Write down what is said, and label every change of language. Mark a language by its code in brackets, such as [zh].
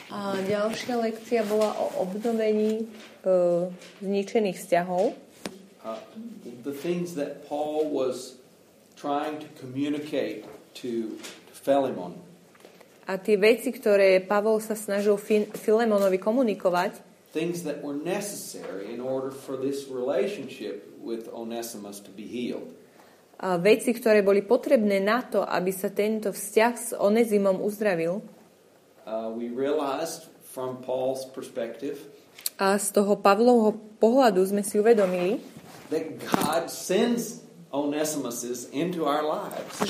[sk] A ďalšia lekcia bola o obnovení zničených vzťahov. [en] The things that Paul was trying to communicate to Philemon. [sk] A tie veci, ktoré Pavol sa snažil Filemonovi komunikovať, [en] things that were necessary in order for this relationship with Onesimus to be healed. [sk] A veci, ktoré boli potrebné na to, aby sa tento vzťah s Onezimom uzdravil. [en] We realized from Paul's perspective. [sk] A z toho Pavlovho pohľadu sme si uvedomili, [en] that God sends Onesimus into our lives.